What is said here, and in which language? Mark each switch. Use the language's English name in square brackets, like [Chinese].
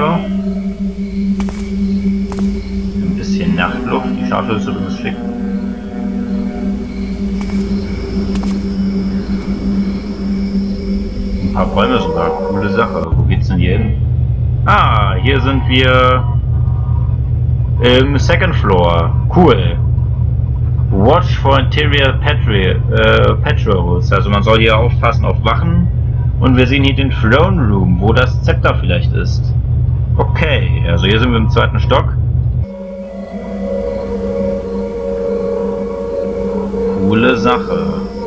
[German] Ein bisschen Nachtluft. Die Statue ist übrigens schick. Ein paar Bäume sogar. Coole Sache. Wo geht's denn hier hin? Ah, hier sind wir im Second Floor. Cool. [English] Watch for Interior Patrols. [German] Also man soll hier aufpassen auf Wachen. Und wir sehen hier den Throne Room, wo das Zepter vielleicht ist. Okay, also hier sind wir im zweiten Stock. Coole Sache.